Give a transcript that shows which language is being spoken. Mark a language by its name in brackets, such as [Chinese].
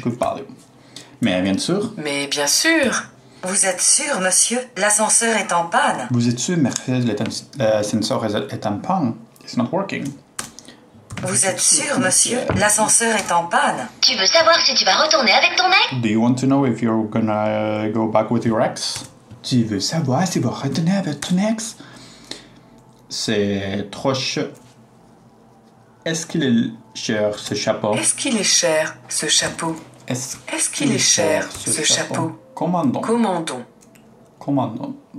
[English] Good value. [French] Mais bien sûr. Mais bien sûr. Vous êtes sûr, monsieur? L'ascenseur est en panne. Vous êtes sûr, Mercedes, l'ascenseur est en panne? [English] It's not working. [French] Vous êtes sûr, monsieur? L'ascenseur est en panne. Tu veux savoir si tu vas retourner avec ton ex? [English] Do you want to know if you're gonna go back with your ex? [French] Tu veux savoir si vous retenez avec ton ex? C'est trop cher. Est-ce qu'il est cher ce chapeau? Est-ce qu'il est cher ce chapeau? Est-ce qu'il est cher ce chapeau? Commandons. Commandons. Commandons.